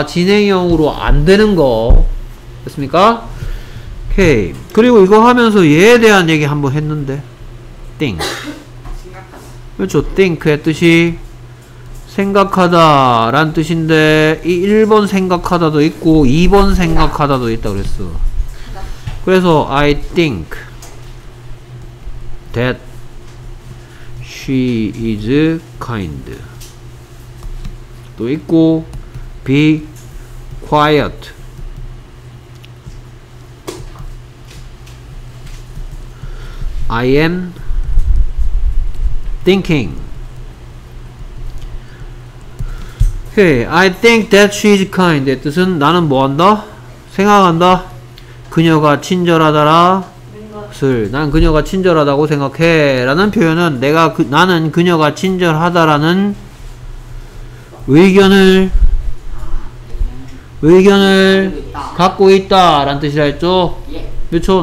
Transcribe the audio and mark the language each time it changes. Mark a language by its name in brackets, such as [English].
[Korean] 진행형으로 안 되는 거. 됐습니까? 오케이. 그리고 이거 하면서 얘에 대한 얘기 한번 했는데 think. 그렇죠. think의 뜻이 생각하다 라는 뜻인데 이 1번 생각하다도 있고 2번 생각하다도 있다 그랬어. 그래서 [English] I think that she is kind [Korean] 또 있고 [English] be quiet I am thinking Okay, I think that she is kind의 [Korean] 뜻은 나는 뭐한다? 생각한다? 그녀가 친절하다라 것을 난 그녀가 친절하다고 생각해 라는 표현은 내가 그, 나는 그녀가 친절하다라는 의견을 갖고 있다 라는 뜻이라 했죠? 그렇죠?